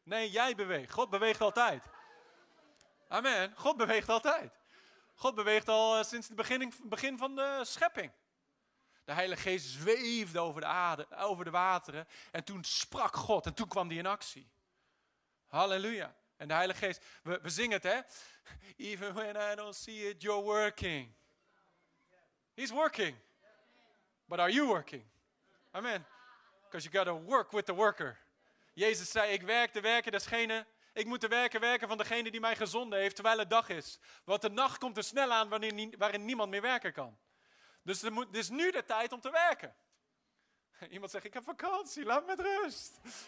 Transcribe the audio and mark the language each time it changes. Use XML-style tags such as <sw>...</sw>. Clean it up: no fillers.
<nl>Nee, jij beweegt. God beweegt altijd. Amen. God beweegt altijd. God beweegt al sinds het begin van de schepping. De Heilige Geest zweefde over de aarde, over de wateren. En toen sprak God en toen kwam die in actie. Halleluja. En de Heilige Geest, we zingen het, hè?</nl> <en>Even when I don't see it, you're working. He's working. But are you working? Amen. Because you gotta work with the worker.</en> <nl>Jezus zei, ik werk de werken desgene. Ik moet de werken van degene die mij gezonden heeft, terwijl het dag is. Want de nacht komt er snel aan waarin niemand meer werken kan. Dus het is nu de tijd om te werken. Iemand zegt, ik heb vakantie, laat me met rust.</nl>